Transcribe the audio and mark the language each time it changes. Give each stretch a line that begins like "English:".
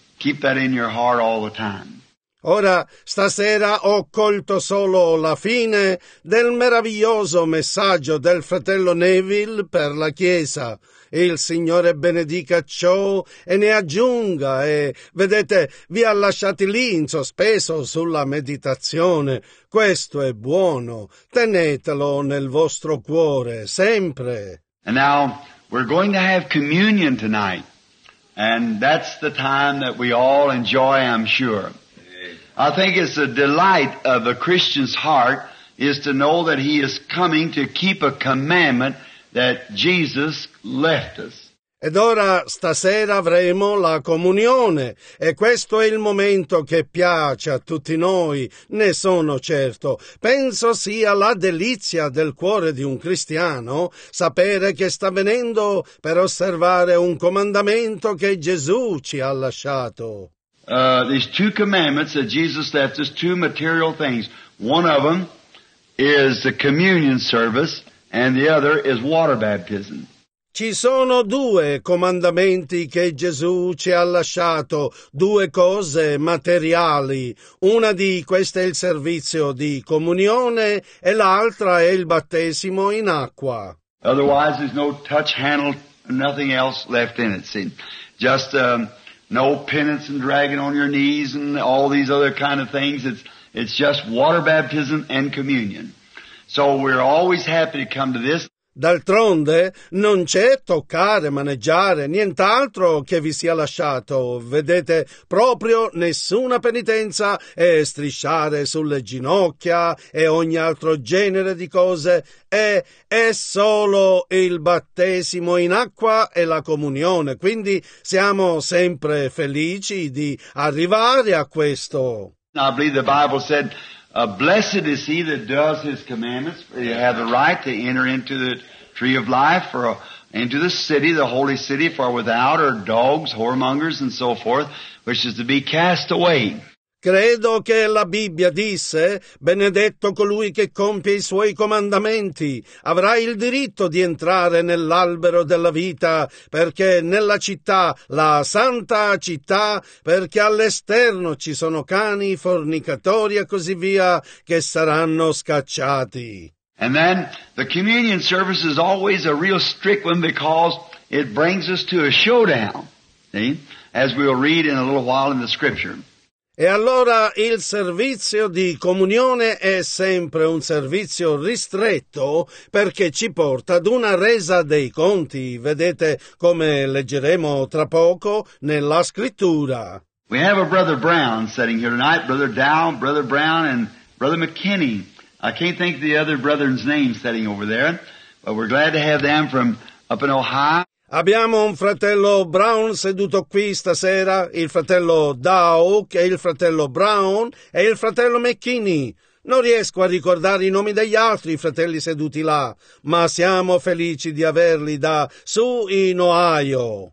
English: Keep that in your heart all the time.
Italian: Ora, stasera ho colto solo la fine del meraviglioso messaggio del fratello Neville per la Chiesa. Il Signore benedica ciò e ne aggiunga. E vedete, vi ha lasciati lì in sospeso sulla meditazione. Questo è buono. Tenetelo nel vostro cuore, sempre.
English: And now, we're going to have communion tonight. And that's the time that we all enjoy, I'm sure. I think it's a delight of a Christian's heart is to know that he is coming to keep a commandment that Jesus left us.
Italian: Ed ora stasera avremo la comunione, e questo è il momento che piace a tutti noi, ne sono certo. Penso sia la delizia del cuore di un cristiano sapere che sta venendo per osservare un comandamento che Gesù ci ha lasciato.
English: These two commandments that Jesus left us, two material things. One of them is the communion service, and the other is water baptism.
Italian: Ci sono due comandamenti che Gesù ci ha lasciato, due cose materiali. Una di queste è il servizio di comunione, e l'altra è il battesimo in acqua.
English: Otherwise, there's no touch handle, nothing else left in it. See, just no penance and dragging on your knees and all these other kind of things. It's just water baptism and communion. So we're always happy to come to this.
Italian: D'altronde, non c'è toccare, maneggiare, nient'altro che vi sia lasciato. Vedete, proprio nessuna penitenza e strisciare sulle ginocchia e ogni altro genere di cose. È solo il battesimo in acqua e la comunione. Quindi siamo sempre felici di arrivare a questo.
English: I believe the Bible said, blessed is he that does his commandments, for you have the right to enter into the tree of life, or into the city, the holy city, for without are dogs, whoremongers, and so forth, which is to be cast away.
Italian: Credo che la Bibbia disse: benedetto colui che compie i suoi comandamenti, avrà il diritto di entrare nell'albero della vita, perché nella città, la santa città, perché all'esterno ci sono cani, fornicatori e così via, che saranno scacciati.
English: And then the communion service is always a real strict one because it brings us to a showdown, see? As we'll read in a little while in the scripture.
Italian: E allora il servizio di comunione è sempre un servizio ristretto perché ci porta ad una resa dei conti. Vedete come leggeremo tra poco nella scrittura.
English: We have a Brother Brown sitting here tonight, Brother Dow, Brother Brown and Brother McKinney. I can't think of the other brethren's name sitting over there, but we're glad to have them from up in Ohio.
Italian: Abbiamo un fratello Brown seduto qui stasera, il fratello Dow, che è il fratello Brown, e il fratello McKinney. Non riesco a ricordare i nomi degli altri fratelli seduti là, ma siamo felici di averli da su in Ohio.